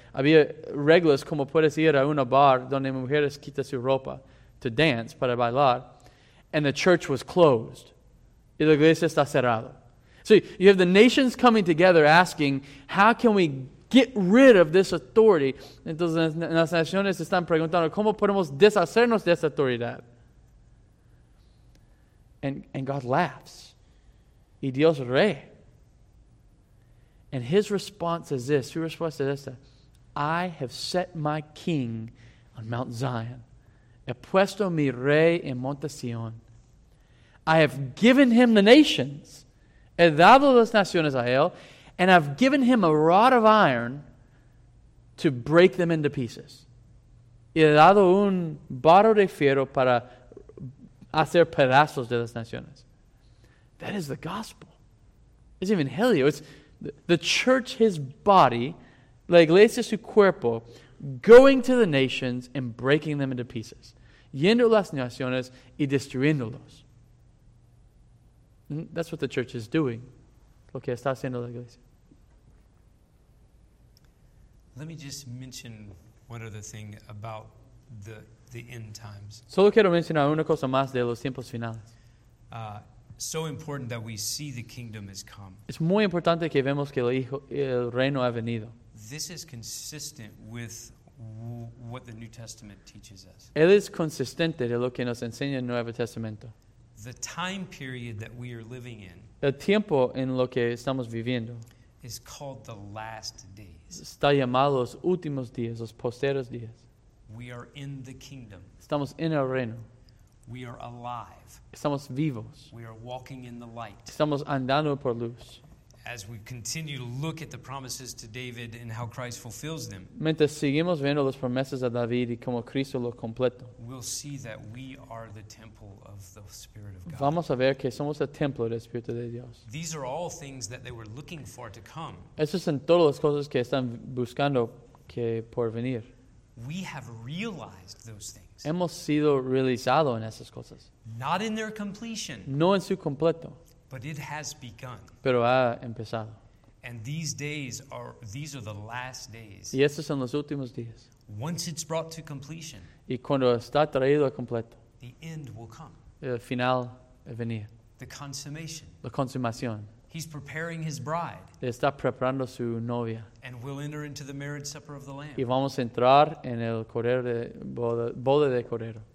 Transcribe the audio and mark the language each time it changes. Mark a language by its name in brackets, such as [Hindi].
[Spanish] Había reglas como puedes ir a una bar donde mujeres quitan su ropa [English] to dance, [Spanish] para bailar, [English] and the church was closed. [Spanish] Y la iglesia está cerrada. [English] So you have the nations coming together asking, how can we get rid of this authority? [Spanish] Entonces, las naciones están preguntando, ¿cómo podemos deshacernos de esta autoridad? [English] And God laughs. [Spanish] Y Dios ríe. [English] And his response is this. [Spanish] Su respuesta es esta. [English] I have set my king on Mount Zion. [Spanish] He puesto mi rey en Monte Sion. [English] I have given him the nations. [Spanish] He dado las naciones a él. [English] And I've given him a rod of iron to break them into pieces. [Spanish] Y he dado un barro de fierro para hacer pedazos de las naciones. [English] That is the gospel. It's evangelio. It's the church, his body, [Spanish] la iglesia, su cuerpo, [English] going to the nations and breaking them into pieces. [Spanish] Yendo a las naciones y destruyéndolos. [English] And that's what the church is doing. [Spanish] Lo que está haciendo la iglesia. [English] Let me just mention one other thing about the end times. [Spanish] Solo quiero mencionar una cosa más de los tiempos finales. [English] So important that we see the kingdom has come. [Spanish] Es muy importante que vemos que el reino ha venido. [English] This is consistent with what the New Testament teaches us. [Spanish] Él es consistente de lo que nos enseña el Nuevo Testamento. [English] The time period that we are living in. [Spanish] El tiempo en lo que estamos viviendo. [English] Is called the last days. [Spanish] Está llamado los últimos días, los posteros días. [English] We are in the kingdom. [Spanish] Estamos en el reino. [English] We are alive. [Spanish] Estamos vivos. [English] We are walking in the light. [Spanish] Estamos andando por luz. [English] As we continue to look at the promises to David and how Christ fulfills them. [Spanish] Mientras seguimos viendo las promesas a David y cómo Cristo lo completó. [English] We'll see that we are the temple of the Spirit of God. [Spanish] Vamos a ver que somos el templo del Espíritu de Dios. [English] These are all things that they were looking for to come. [Spanish] Esas son todas las cosas que están buscando que por venir. [English] We have realized those things. [Spanish] Hemos sido realizado en esas cosas. [English] Not in their completion. [Spanish] No en su completo. [English] But it has begun. [Spanish] Pero ha empezado. [English] And these are the last days. [Spanish] Y estos son los últimos días. [English] Once it's brought to completion. [Spanish] Y cuando está traído a completo. [English] The end will come. [Spanish] El final va a venir. [English] The consummation. [Spanish] La consumación. [English] He's preparing his bride. [Spanish] Le está preparando su novia. [English] And we'll enter into the marriage supper of the Lamb. [Spanish] Y vamos a entrar en el cordero de boda de cordero.